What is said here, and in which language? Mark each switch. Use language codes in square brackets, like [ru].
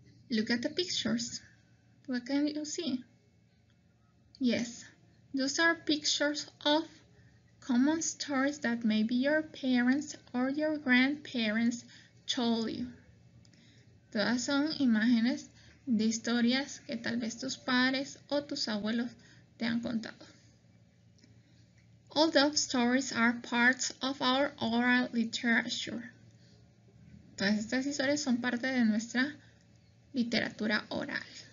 [en] Look at the pictures. What can you see? Yes, those are pictures of common stories that maybe your parents or your grandparents told you. [es] Todas son imágenes de historias que tal vez tus padres o tus abuelos te han contado. [en] All those stories are parts of our oral literature. [es] Todas estas historias son parte de nuestra literatura oral.